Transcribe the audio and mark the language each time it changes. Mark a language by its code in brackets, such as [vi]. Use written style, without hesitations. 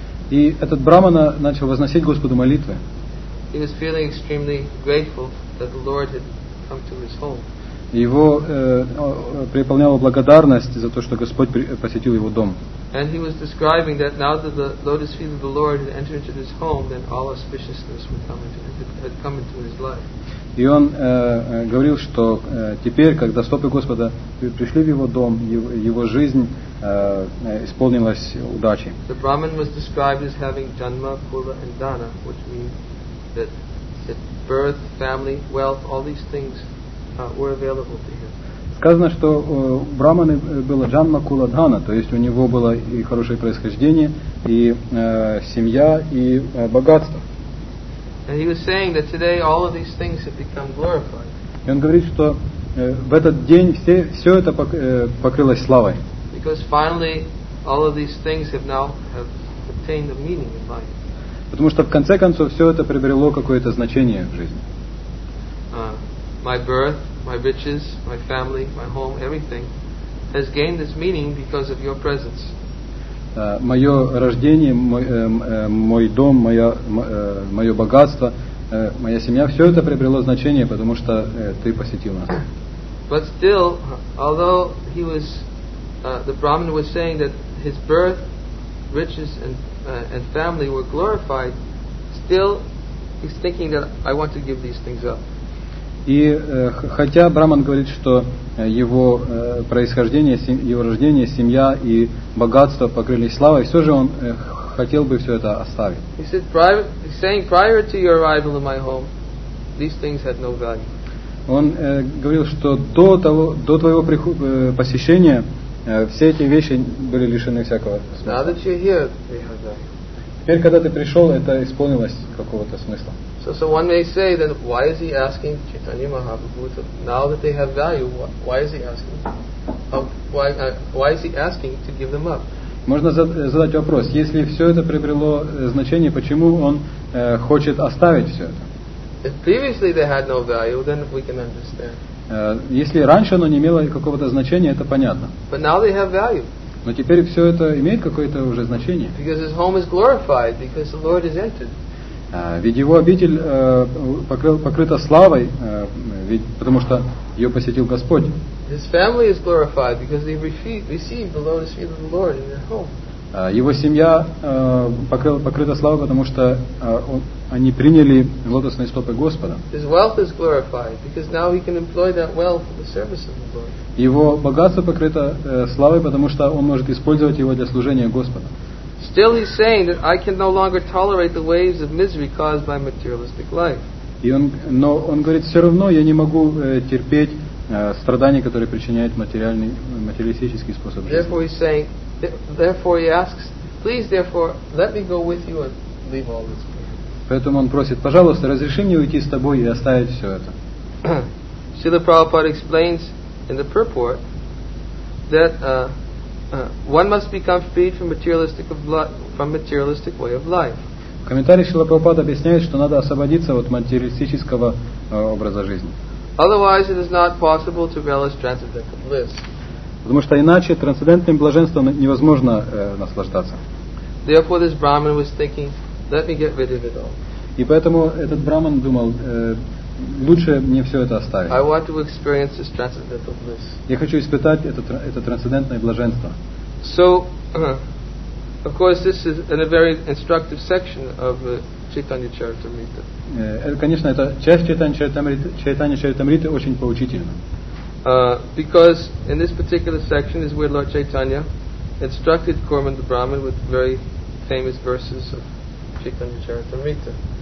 [ru] И этот Брахмана начал возносить Господу молитвы. [en] He was feeling extremely grateful that the Lord had come to his home. [ru] Его преполняла благодарность за то, что Господь посетил его дом. [en] And he was describing that now that the lotus feet of the Lord had entered into his home, then all auspiciousness had come into his life. [ru] И он говорил, что теперь, когда стопы Господа пришли в его дом, его жизнь исполнилась удачей. [en] The Brahmin was described as having janma, kula, and dana, which means that birth, family, wealth, all these things were available to him. [ru] Сказано, что у Брахманы было джанма кула дхана, то есть у него было и хорошее происхождение, и семья, и богатство. [en] And he was saying that today all of these things have become glorified. [ru] И он говорит, что в этот день все это покрылось славой. [en] Because finally all of these things have now obtained a meaning in life. [ru] Потому что в конце концов все это приобрело какое-то значение в жизни. [en] My birth, my riches, my family, my home, everything has gained this meaning because of your presence. [ru] Мое рождение, мой дом, мое богатство, моя семья, все это приобрело значение, потому что ты посетил нас. [en] But still, although he was, the Brahmin was saying that his birth, riches, and family were glorified, still he's thinking that I want to give these things up. [ru] И хотя Брахман говорит, что его происхождение, его рождение, семья и богатство покрылись славой, все же он хотел бы все это оставить. [en] He said, saying prior to your arrival in my home, these things had no value. [ru] Он говорил, что до твоего посещения все эти вещи были лишены всякого смысла. [en] Now that you're here, they have value. [ru] Теперь, когда ты пришел, это исполнилось какого-то смысла. [en] So one may say that why is he asking Chaitanya Mahaprabhu to, now that they have value, why is he asking to give them up? [ru] Можно задать вопрос, если все это приобрело значение, почему он хочет оставить все это? [en] If previously they had no value, then we can understand. [ru] Если раньше оно не имело какого-то значения, это понятно. [en] But now they have value. [ru] Но теперь все это имеет какое-то уже значение. [en] Because his home is glorified, because the Lord has entered. [ru] Ведь его обитель покрыта славой, ведь потому что ее посетил Господь. [en] His family is glorified because they received the lotus feet of the Lord in their home. [ru] Его семья покрыта славой, потому что они приняли лотосные стопы Господа. [en] His wealth is glorified because now he can employ that wealth for the service of the Lord. [ru] Его богатство покрыто славой, потому что он может использовать его для служения Господа. [en] Still he's saying that I can no longer tolerate the waves of misery caused by materialistic life. [ru] И он, но он говорит, все равно я не могу терпеть страдания, которые причиняет материальный, материалистический способ жизни. [en] Therefore he's saying, therefore he asks, please, therefore, let me go with you and leave all this. [ru] Поэтому он просит, пожалуйста, разреши мне уйти с тобой и оставить все это. [en] Srila Prabhupada explains in the purport that one must become freed from materialistic of from materialistic way of life. [ru] В комментарии Шрила Прабхупада объясняет, что надо освободиться от материалистического образа жизни. [en] Otherwise, it is not possible to realize transcendental bliss. [ru] Потому что иначе трансцендентным блаженством невозможно наслаждаться. [en] Therefore, this Brahmin was thinking, let me get rid of it all. [ru] И поэтому этот Брахман думал, лучше мне все это оставить. [en] I want to experience this transcendental bliss. [ru] Я хочу испытать это трансцендентное блаженство. [en] So, of course, this is in a very instructive section of Chaitanya Charitamrita. [ru] Конечно, это часть Чайтанья Чаритамриты очень поучительна. [en] Because in this particular section is where Lord Chaitanya instructed Kormanda Brahman with very famous verses of Chaitanya Charitamrita.